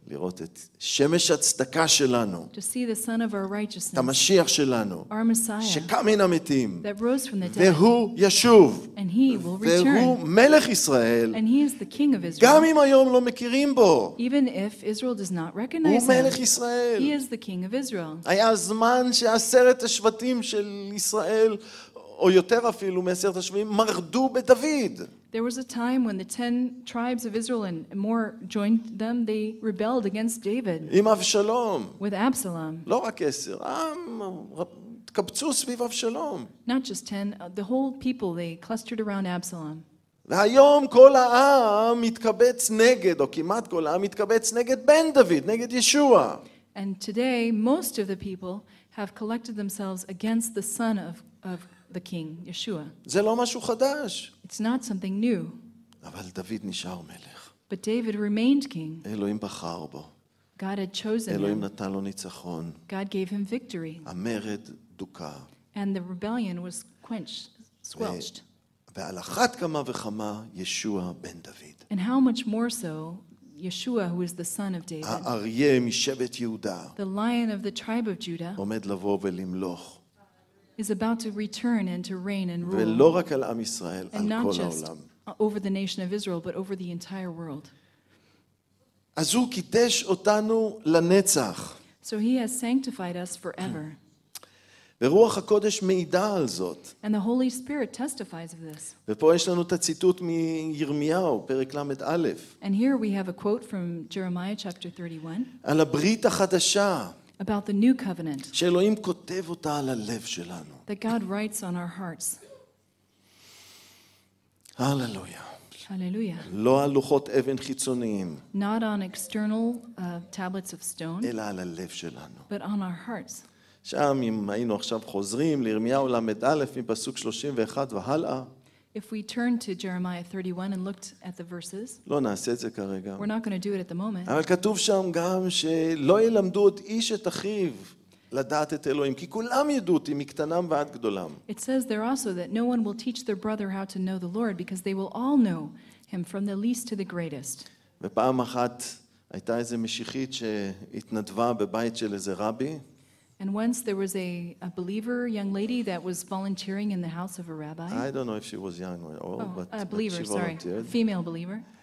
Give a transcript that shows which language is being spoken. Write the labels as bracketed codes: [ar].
[he] לראות את שמש הצדקה שלנו. [en] To see the sun of our righteousness. [he] את המשיח שלנו. [en] Our Messiah. [he] שקם מן המתים. [en] That rose from the dead. [he] והוא ישוב. [en] And he will return. [he] והוא מלך ישראל. [en] And he is the king of Israel. [he] גם אם היום לא מכירים בו. [en] Even if Israel does not recognize him. [he] הוא מלך ישראל. [en] He is the king of Israel. [he] היה זמן שעשרת השבטים של ישראל, או יותר אפילו מעשרת השבטים, מרדו בדוד. [en] There was a time when the 10 tribes of Israel and more joined them, they rebelled against David. [he] עם אבשלום. [en] With Absalom. [he] לא רק 10, קפצו סביב אבשלום. [en] Not just 10, the whole people, they clustered around Absalom. [he] והיום כל העם מתקבץ נגד, או כמעט כל העם מתקבץ נגד בן דוד, נגד ישוע. [en] And today, most of the people have collected themselves against the son of the king, Yeshua. [he] זה לא משהו חדש. [en] It's not something new. [he] אבל דוד נשאר מלך. [en] But David remained king. [he] אלוהים בחר בו. [en] God had chosen him. [he] אלוהים נתן לו ניצחון. [en] God gave him victory. [he] המרד דוקה. [en] And the rebellion was quenched, squelched. [he] ועל אחת כמה וכמה ישוע בן דוד. [en] And how much more so Yeshua, who is the son of David. [he] האריה משבט יהודה. [en] The lion of the tribe of Judah. [he] עומד לבוא ולמלוך. [en] Is about to return and to reign and rule. [he] ולא רק על עם ישראל, על כל העולם. [en] And not just over the nation of Israel, but over the entire world. [he] אז הוא קידש אותנו לנצח. [en] So he has sanctified us forever. [he] ורוח הקודש מעידה על זאת. [en] And the Holy Spirit testifies of this. [he] ופה יש לנו את הציטוט מירמיהו, פרק למד א'. [en] And here we have a quote from Jeremiah chapter 31. [he] על הברית החדשה. [en] About the new covenant. [he] שאלוהים כותב אותה על הלב שלנו. [en] That God writes on our hearts. [he] הללויה. הללויה. לא על לוחות אבן חיצוניים. [en] Not on external tablets of stone. [he] אלא על הלב שלנו. [en] But on our hearts. [he] שם אם היינו עכשיו חוזרים לירמיהו למד א' מפסוק 31 והלאה. [en] If we turn to Jeremiah 31 and looked at the verses, [he] לא נעשה את זה כרגע. [en] We're not going to do it at the moment. [he] אבל כתוב שם גם שלא ילמדו את איש את אחיו לדעת את אלוהים, כי כולם ידעו אותי מקטנם ועד גדולם. [en] It says there also that no one will teach their brother how to know the Lord because they will all know him from the least to the greatest. [he] ופעם אחת הייתה איזה משיחית שהתנדבה בבית של איזה רבי. [en] And once there was a believer, young lady, that was volunteering in the house of a rabbi. I don't know if she was young or old, but a believer, but she volunteered. Sorry, a female believer.